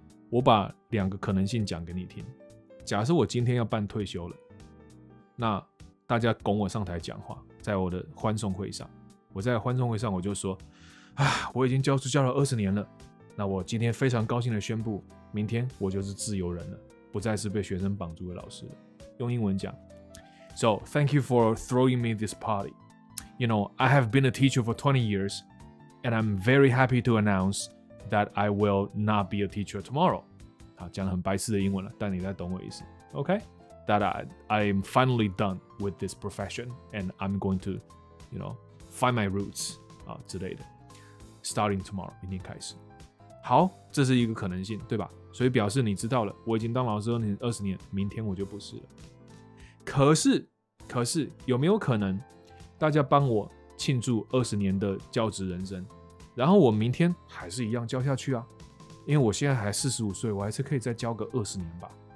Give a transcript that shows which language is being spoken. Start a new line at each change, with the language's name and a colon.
Chinese: 我把两个可能性讲给你听。假设我今天要办退休了，那大家拱我上台讲话，在我的欢送会上，我在欢送会上我就说，我已经教书教了20年了，那我今天非常高兴的宣布，明天我就是自由人了，不再是被学生绑住的老师了。用英文讲，
English: So, thank you for throwing me this party. You know, I have been a teacher for 20 years, and I'm very happy to announce that I will not be a teacher tomorrow.
Chinese: 好，讲得很白痴的英文了，但你在懂我意思。
English: OK? That I'm finally done with this profession, and I'm going to, you know, find my roots,
Chinese: 之类的。
English: Starting tomorrow,
Chinese: 明天开始。好，这是一个可能性，对吧？所以表示你知道了，我已经当老师20年，明天我就不是了。可是有没有可能大家帮我庆祝20年的教职人生，然后我明天还是一样教下去啊，因为我现在还45岁，我还是可以再教个20年吧。